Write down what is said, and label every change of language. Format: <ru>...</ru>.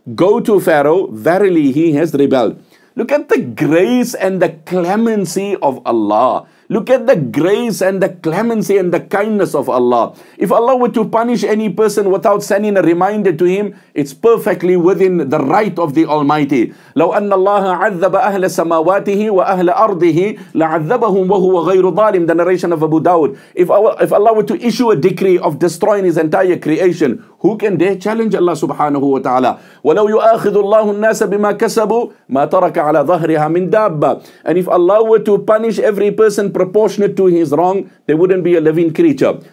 <en>Go to Pharaoh, verily he has rebelled. Look at the grace and the clemency of Allah. Look at the grace and the clemency and the kindness of Allah. If Allah were to punish any person without sending a reminder to him, it's perfectly within the right of the Almighty.</en> <ar>لو أن الله عذب أهل سماواته وأهل أرضه لعذبهم وهو غير ظالم.</ar> <en>The narration of Abu Dawud. If Allah were to issue a decree of destroying his entire creation, who can dare challenge Allah subhanahu wa ta'ala?</en> <ar>وَلَوْ يُؤَاخِذُ اللَّهُ النَّاسَ بِمَا كَسَبُوا مَا تَرَكَ عَلَى ظَهْرِهَا مِنْ دَابَّ.</ar> <en>And if Allah were to punish every person proportionate to his wrong, there wouldn't be a living creature.</en>